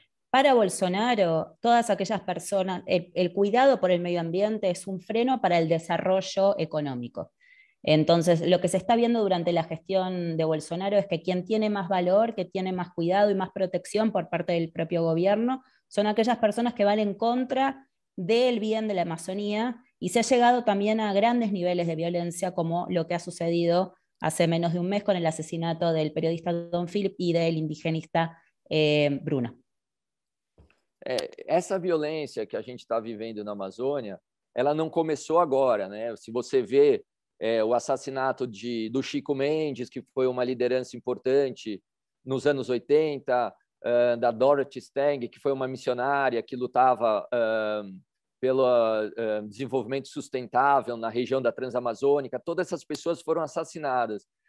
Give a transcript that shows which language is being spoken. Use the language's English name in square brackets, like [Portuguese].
[Portuguese] Para Bolsonaro, todas aquelas pessoas, o cuidado [Spanish] por el medio ambiente [Portuguese] é um freno para o desarrollo econômico. Então, o que se está vendo durante a gestão de Bolsonaro é que quem tem mais valor, que tem mais cuidado e mais proteção por parte do próprio governo, são aquelas pessoas que vão em contra do bem da Amazônia. [Spanish] Y se ha llegado también a grandes niveles de violencia, como lo que ha sucedido hace menos de un mes con el asesinato del periodista Don Philip y del indigenista Bruno. Esa violencia que [Portuguese] a gente [Spanish] está viviendo en Amazônia, ela no comenzó ahora, ¿no? [Portuguese] Si você vê o assassinato do Chico Mendes, que [Spanish] fue una [Portuguese] liderança importante nos anos 80, da Dorothy Stang, que fue una missionária que lutava pelo desenvolvimento sustentável na região da Transamazônica, todas essas pessoas foram assassinadas.